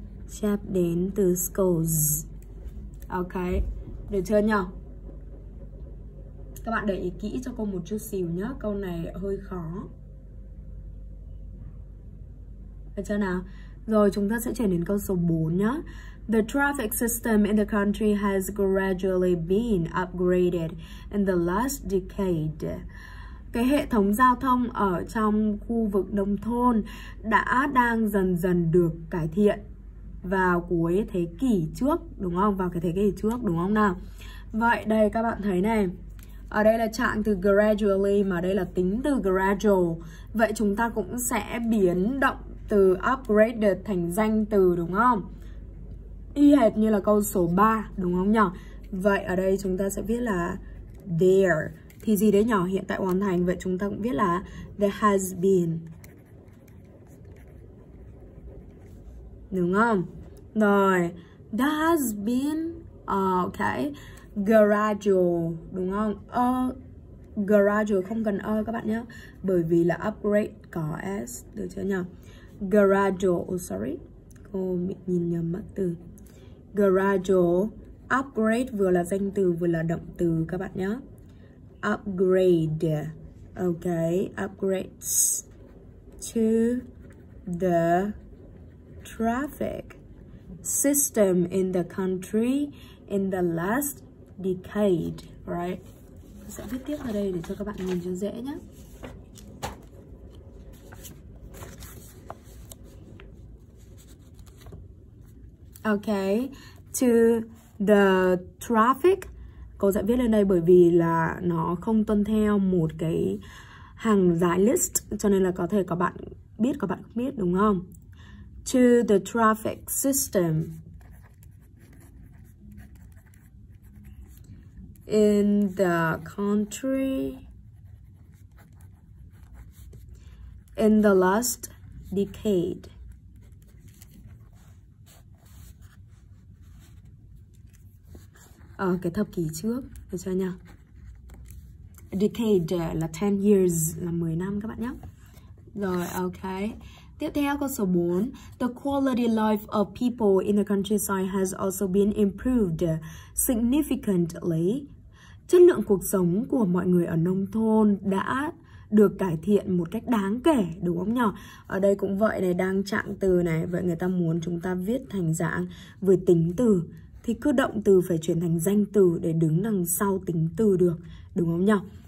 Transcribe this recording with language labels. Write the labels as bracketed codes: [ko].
[vi] Chép đến từ schools. Ok, được chưa nhỉ? Các bạn để ý kỹ cho cô một chút xíu nhé. Câu này hơi khó. Được chưa nào? Rồi chúng ta sẽ chuyển đến câu số 4 nhé. [en] The traffic system in the country has gradually been upgraded in the last decade. [vi] Cái hệ thống giao thông ở trong khu vực nông thôn đã đang dần dần được cải thiện vào cuối thế kỷ trước, đúng không? Vào cái thế kỷ trước, đúng không nào? Vậy đây các bạn thấy này, ở đây là trạng từ gradually mà đây là tính từ gradual. Vậy chúng ta cũng sẽ biến động từ upgraded thành danh từ, đúng không? Y hệt như là câu số 3, đúng không nhỉ? Vậy ở đây chúng ta sẽ viết là there. thì gì đấy nhỏ, hiện tại hoàn thành, vậy chúng ta cũng viết là [en] there has been, [vi] đúng không? Rồi, [en] there has been okay, gradual, [vi] đúng không? Gradual không cần a các bạn nhé, bởi vì là upgrade có s, được chưa nhỉ? Gradual, sorry, cô bị nhìn nhầm mất từ. Gradual, upgrade vừa là danh từ vừa là động từ các bạn nhé. [en] Upgrade, okay, upgrades to the traffic system in the country in the last decade, right? [vi] Sẽ viết tiếp ở đây để cho các bạn nhìn cho dễ nhé. [en] Okay, to the traffic, [vi] cô sẽ viết lên đây bởi vì là nó không tuân theo một cái hàng dài list, cho nên là có thể các bạn biết, các bạn không biết, đúng không? [en] To the traffic system in the country in the last decade. [vi] Ở cái thập kỷ trước, được chưa nha? Decade là [en] 10 years, [vi] là 10 năm các bạn nhé. Rồi, ok. Tiếp theo câu số 4. [en] The quality life of people in the countryside has also been improved significantly. [vi] Chất lượng cuộc sống của mọi người ở nông thôn đã được cải thiện một cách đáng kể, đúng không nhỉ? Ở đây cũng vậy này, đang trạng từ này. Vậy người ta muốn chúng ta viết thành dạng với tính từ, thì cứ động từ phải chuyển thành danh từ để đứng đằng sau tính từ được, đúng không nhỉ?